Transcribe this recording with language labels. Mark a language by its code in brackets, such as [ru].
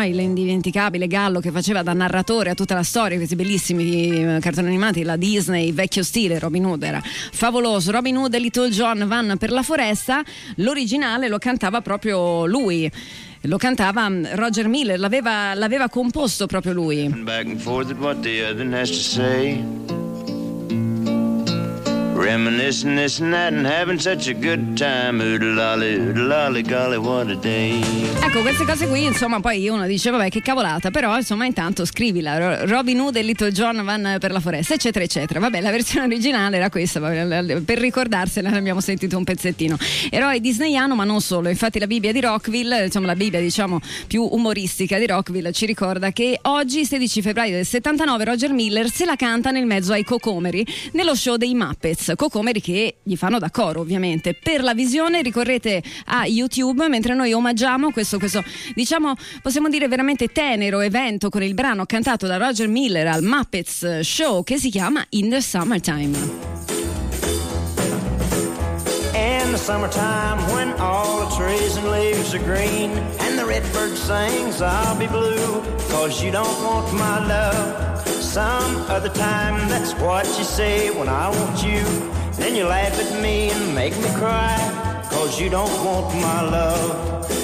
[it] L'indimenticabile Gallo che faceva da narratore a tutta la storia, questi bellissimi cartoni animati della Disney, vecchio stile. Robin Hood era favoloso. Robin Hood e Little John Van per la foresta, l'originale lo cantava proprio lui. Lo cantava Roger Miller, l'aveva composto proprio lui. [en] Back and forth at what the other has to say. Reminiscing this and that and having such a good time. Oodle-lolly, oodle-lolly, golly, what a day. [it] Ecco, queste cose qui, insomma, poi uno dice, vabbè, che cavolata, però, insomma, intanto scrivila. Robin Hood e Little John Van per la foresta, eccetera, eccetera. Vabbè, la versione originale era questa, vabbè, per ricordarsela abbiamo sentito un pezzettino. Eroe disneyano, ma non solo. Infatti la Bibbia di Rockville, insomma, la Bibbia, diciamo, più umoristica di Rockville, ci ricorda che oggi, 16 febbraio del 79, Roger Miller se la canta nel mezzo ai cocomeri, nello show dei Muppets. Cocomeri che gli fanno da coro, ovviamente. Per la visione ricorrete a YouTube, mentre noi omaggiamo questo diciamo, possiamo dire, veramente tenero evento con il brano cantato da Roger Miller al Muppets Show che si chiama In the Summertime. [en] In the summertime when all the trees and leaves are green and the red bird sings, I'll be blue, cause you don't want my love. Some other time, that's what you say when I want you. Then you laugh at me and make me cry, cause you don't want my love.